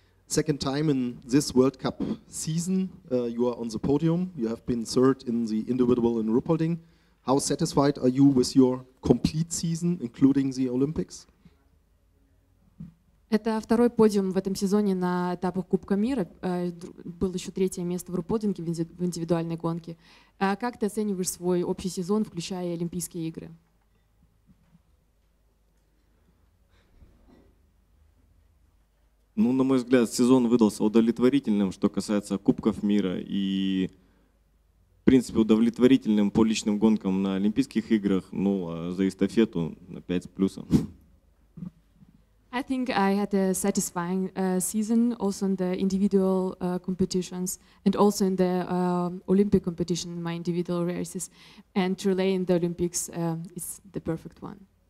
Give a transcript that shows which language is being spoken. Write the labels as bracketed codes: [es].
[en] Second time in this World Cup season, you are on the podium. You have been third in the individual in Ruppolding. How satisfied are you with your complete season, including the Olympics? [ru] Это второй подиум в этом сезоне на этапах Кубка мира. Было еще третье место в Ruppolding в индивидуальной гонке. Как ты оцениваешь свой общий сезон, включая Олимпийские игры? Ну, на мой взгляд, сезон выдался удовлетворительным, что касается Кубков мира. И, в принципе, удовлетворительным по личным гонкам на Олимпийских играх, ну, а за эстафету на 5 с плюсом. [en] I think I had a satisfying season also in the individual competitions and also in the Olympic competition, my individual races, and relay in the Olympics is the perfect one.